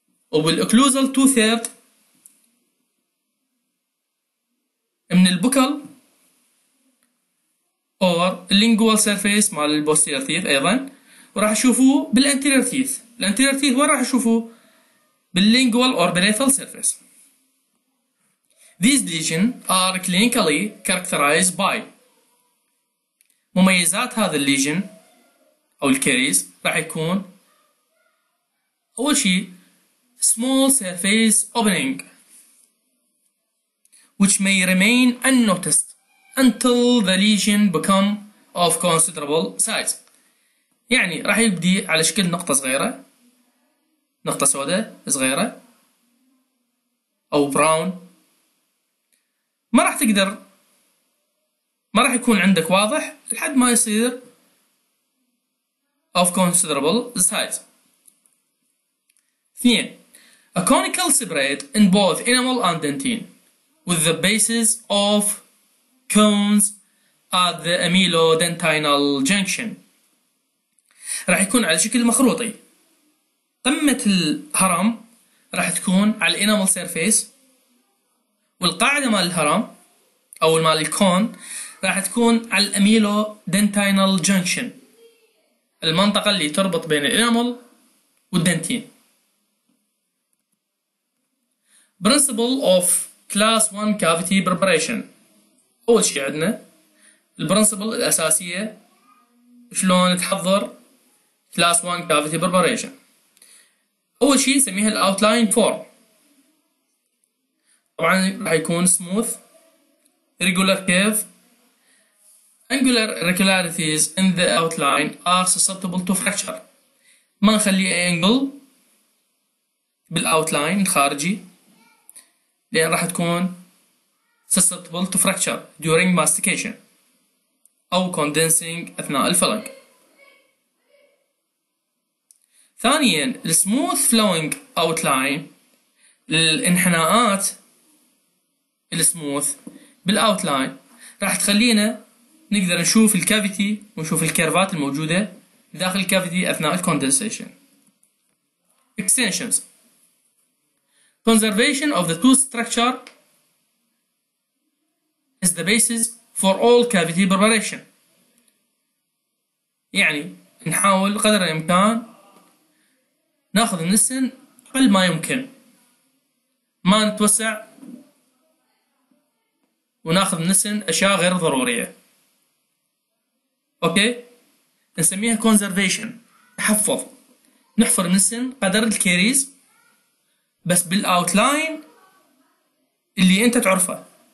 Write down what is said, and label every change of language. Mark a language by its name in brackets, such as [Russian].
[Arabic] وبالاوكلوزال تو ثيرد من البوكال اور اللينجوال سيرفيس مال البوستيرير تيث ايضا وراح اشوفوه بالانتيرير تيث. الانتيرير تيث وين راح اشوفوه؟ باللينجوال اور بليثال سيرفيس. [English] These lesions are clinically characterized by [Arabic] مميزات هذا الليجن او الكاريز راح يكون اول شيء [English] small surface opening which may remain unnoticed until the lesion become of considerable size. [Arabic] يعني راح يبدي على شكل نقطة صغيرة، نقطة سوداء صغيرة أو براون، ما راح يكون عندك واضح لحد ما يصير [English] of considerable size. [Arabic] اثنين، [English] a conical spread in both enamel and dentine with the bases of cones at the amylodentinal junction. [Arabic] راح يكون على شكل مخروطي. قمة الهرم راح تكون على الانامل سيرفيس والقاعدة مال الهرم او مال الكون راح تكون على الاميلودنتينال جنكشن، المنطقة اللي تربط بين الانامل والدنتين. [English] Principle of class 1 cavity preparation. [Arabic] أول شيء عندنا البرنسبل الأساسية شلون تحضر class 1 cavity preparation. أول شيء نسميها outline form، طبعا راح يكون [English] smooth regular curve. Angular irregularities in the outline are susceptible to fracture. [Arabic] ما نخلي أي angle بالoutline الخارجي لأن راح تكون [English] susceptible to fracture during mastication أو condensing [Arabic] أثناء الفلنج. ثانياً الـ [English] smooth flowing outline، [Arabic] الانحناءات الـ smooth بالـ outline راح تخلينا نقدر نشوف الـ cavity ونشوف الكيرفات الموجودة داخل الـ cavity أثناء الـ condensation. [English] Extensions conservation of the tooth structure is the basis for all cavity preparation. [Arabic] يعني نحاول قدر الامكان ناخذ النسن قل ما يمكن، ما نتوسع وناخذ النسن اشياء غير ضروريه. اوكي، نسميها conservation، تحفظ، نحفر النسن قدر الكاريز بس بالاوتلاين اللي انت تعرفه.